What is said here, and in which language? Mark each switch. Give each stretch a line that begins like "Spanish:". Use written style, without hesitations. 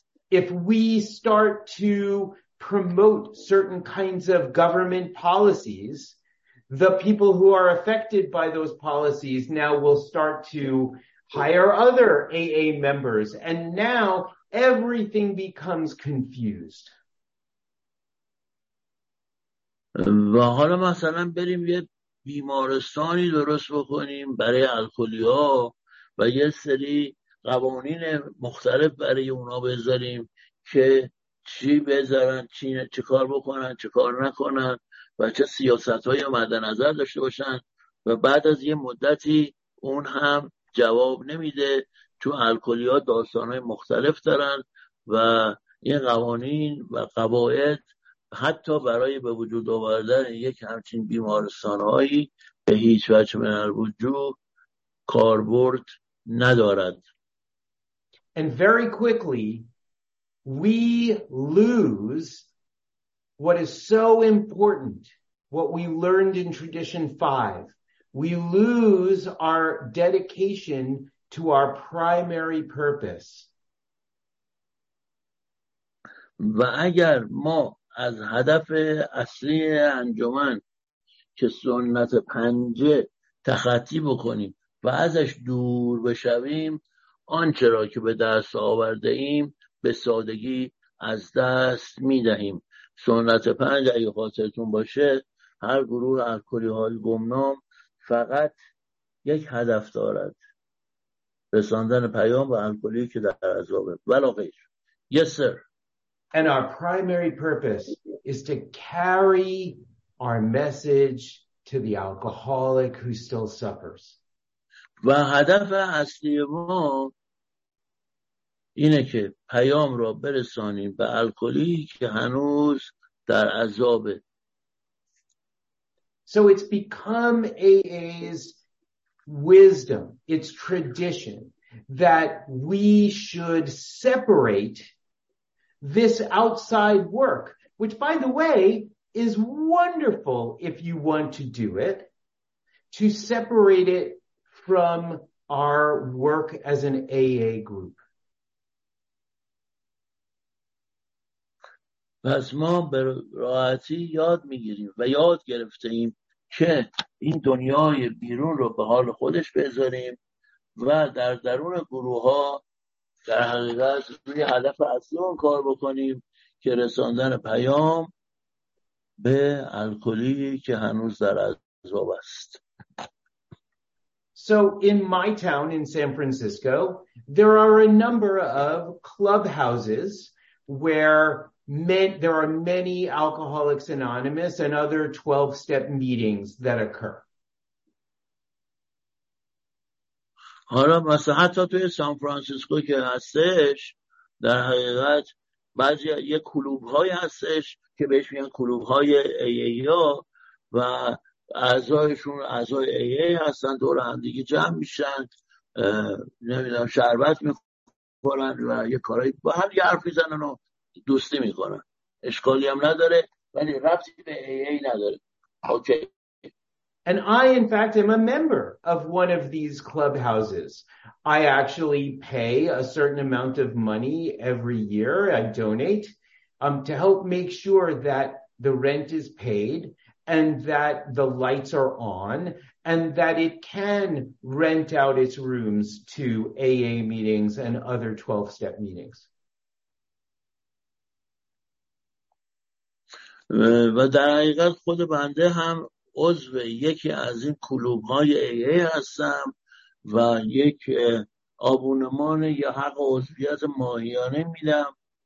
English: If we start to promote certain kinds of government policies, the people who are affected by those policies now will start to hire other AA members, and now everything becomes confused.
Persian: و حالا مثلا بریم یه بیمارستانی درست بکنیم برای الکلی ها و یه سری قوانین مختلف برای اونا بذاریم که چی بذارن، چی کار بکنن، چی کار نکنن و چه سیاست های مد نظر داشته باشن و بعد از یه مدتی اون هم جواب نمیده چون الکلی ها داستان های مختلف دارن و این قوانین و قواعد حتی برای به وجود آوردن یک همچین بیمارستانهایی به هیچ وجه من وجود کاربرد ندارد.
English: And very quickly we lose what is so important, what we learned in tradition 5. We lose our dedication to our primary purpose.
Persian: و اگر ما از هدف اصلی انجمن که سنت پنجه تخطی بکنیم و ازش دور بشویم، آنچه را که به دست آورده ایم به سادگی از دست می دهیم. سنت پنج اگه خاطرتون باشه، هر گروه الکلی های گمنام فقط یک هدف دارد، رساندن پیام به الکلی که در عذابه. بلاغیر.
English: Yes, sir. And our primary purpose is to carry our message to the alcoholic who still suffers.
Persian: و هدف اصلی ما اینه که پیام را برسانیم به الکلی که هنوز در عذابه.
English: So it's become AA's wisdom, its tradition, that we should separate this outside work, which, by the way, is wonderful if you want to do it, to separate it from our work as an AA group.
Persian: پس ما به راحتی یاد میگیریم و یاد گرفتیم که این دنیای بیرون رو به حال خودش بذاریم و در درون گروه ها در حقیقت روی هدف اصلی اون کار بکنیم که رساندن پیام به الکلی که هنوز در عذاب است.
English: So in my town in San Francisco, there are a number of clubhouses where there are many Alcoholics Anonymous and other 12-step meetings that occur.
Persian: حالا مثلا حتی توی سان فرانسیسکو که هستش در حقیقت بعضی یه کلوب های هستش که بهش میگن کلوب های AA و اعضایشون اعضای AA هستن، دور هم دیگه جمع میشن، نمیدونم شربت میخورن و یه کارهای با هم یه حرف میزنن و دوستی میکنن، اشکالی هم نداره ولی ربطی به AA نداره. اوکی.
English: And I, in fact, am a member of one of these clubhouses. I actually pay a certain amount of money every year. I donate to help make sure that the rent is paid and that the lights are on and that it can rent out its rooms to AA meetings and other 12-step meetings. But I got for the band,
Persian: عضو یکی از این کلوب های AA هستم و یک آبونمان یا حق عضویت ماهیانه میدم